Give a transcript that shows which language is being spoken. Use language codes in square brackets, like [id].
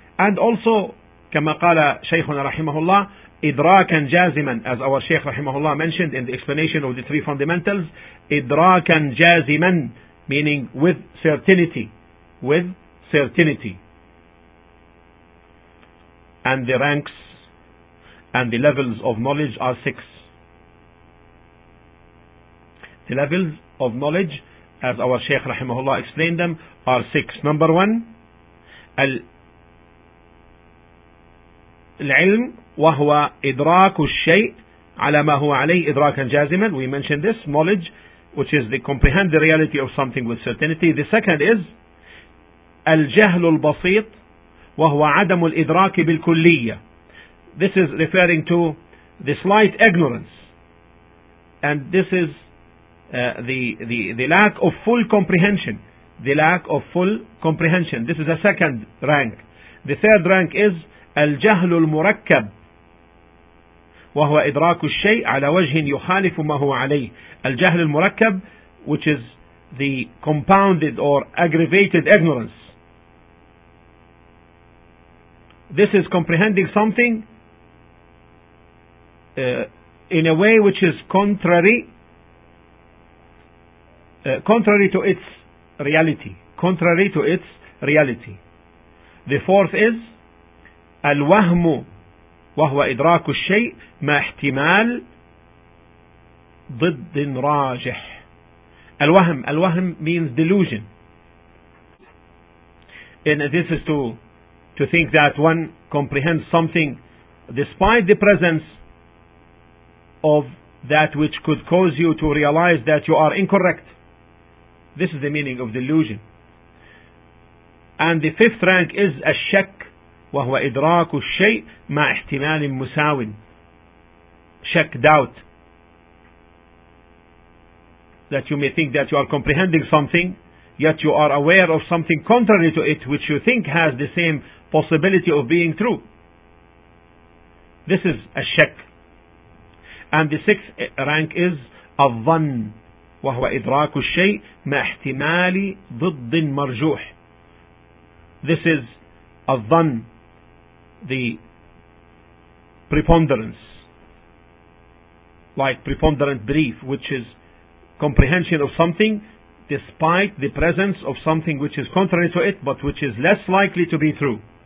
[en] And also, [ar] كما قال شيخنا رحمه الله, إدراكا جازما, [en] as our Shaykh [ar] رحمه الله [en] mentioned in the explanation of the three fundamentals, [ar] إدراكا جازما, [en] meaning with certainty, with certainty. And the ranks and the levels of knowledge are six. The levels of knowledge, as our Shaykh rahimahullah explained them, are six. Number one, [ar] العلم وهو إدراك الشيء على ما هو عليه إدراكا جازما. [en] We mentioned this, knowledge, which is the comprehend the reality of something with certainty. The second is [ar] الجهل البسيط وهو عدم الإدراك بالكلية. [en] This is referring to the slight ignorance, and this is the lack of full comprehension. The lack of full comprehension. This is a second rank. The third rank is [ar] الجهل المركب وهو إدراك الشيء على وجه يخالف ما هو عليه. [en] الجهل المركب, which is the compounded or aggravated ignorance. This is comprehending something in a way which is contrary to its reality. Contrary to its reality. The fourth is [ar] الوهم وهو إدراك الشيء ما احتمال ضد راجح. [en] الوهم, الوهم means delusion. And this is to think that one comprehends something despite the presence of that which could cause you to realize that you are incorrect. This is the meaning of delusion. And the fifth rank is [ar] الشك, وهو إدراك الشيء مع احتمال مساو. [en] Shak, doubt. That you may think that you are comprehending something, yet you are aware of something contrary to it, which you think has the same possibility of being true. This is الشك. And the sixth rank is [ar] الظن, وهو إدراك الشيء مع احتمال ضد مرجوح. [en] This is الظن, the preponderance, like preponderant belief, which is comprehension of something despite the presence of something which is contrary to it, but which is less likely to be true.